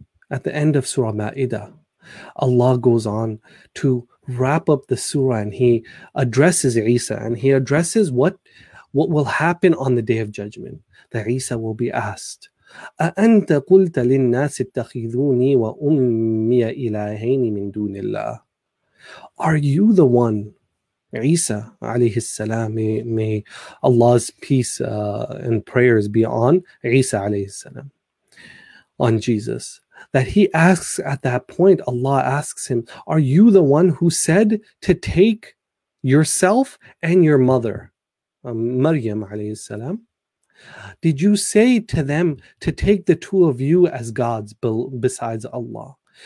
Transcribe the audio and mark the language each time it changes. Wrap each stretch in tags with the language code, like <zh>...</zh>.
<en>At the end of Surah Ma'idah, Allah goes on to wrap up the surah and He addresses Isa, and He addresses what will happen on the Day of Judgment. That Isa will be asked,</en> <ar>أَأَنْتَ قُلْتَ لِلنَّاسِ اتَّخِذُونِي وَأُمِّيَ إِلَٰهَيْنِ مِن دُونِ اللَّهِ.</ar> <en>Are you the one, Isa</en> <ar>عليه السلام,</ar> <en>may Allah's peace and prayers be on Isa عليه السلام, on Jesus, that he asks at that point, Allah asks him, are you the one who said to take yourself and your mother, Maryam عليه السلام, did you say to them to take the two of you as gods besides Allah?</en>